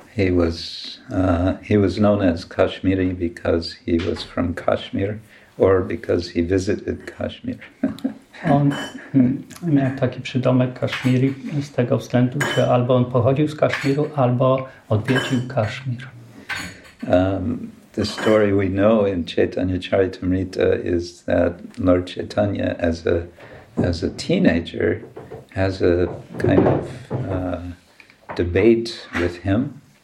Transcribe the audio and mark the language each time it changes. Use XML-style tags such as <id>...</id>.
<en>He was known as Kashmiri because he was from Kashmir or because he visited Kashmir.</en> <pl>On miał taki przydomek Kashmiri z tego względu, że albo on pochodził z Kaszmiru, albo odwiedził Kaszmir.</pl> <en>The story we know in Chaitanya Charitamrita is that Lord Chaitanya, as a teenager, has a kind of debate with him.</en>